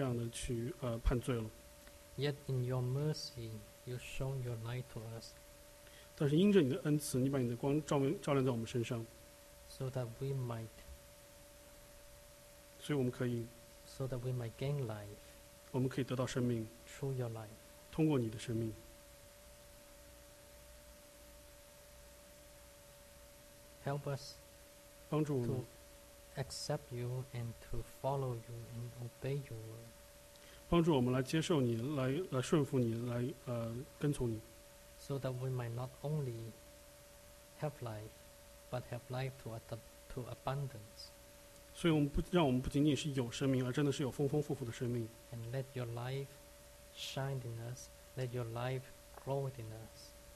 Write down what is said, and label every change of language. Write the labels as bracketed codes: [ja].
[zh] 所有的这些我们的罪，所有的这些不是从你而来的事情，已经把我们钉死了，已经把我们这样的去判罪了。 [en] Yet in your mercy, you shown your light to us. [zh] 但是因着你的恩慈，你把你的光照亮在我们身上。 [en] So that we might. [zh] 所以我们可以。 [en] So that we might gain life. [zh] 我们可以得到生命。 [en] Through your life. [zh] 通过你的生命。 [en] Help us [zh] 帮助我们, [en] to accept you and to follow you and obey your word. [zh] 帮助我们来接受你，来顺服你，来跟从你。 [en] So that we might not only have life, but have life to abundance. [zh] 所以让我们不仅仅是有生命，而真的是有丰丰富富的生命。 [en] And let your life shine in us, let your life grow in us.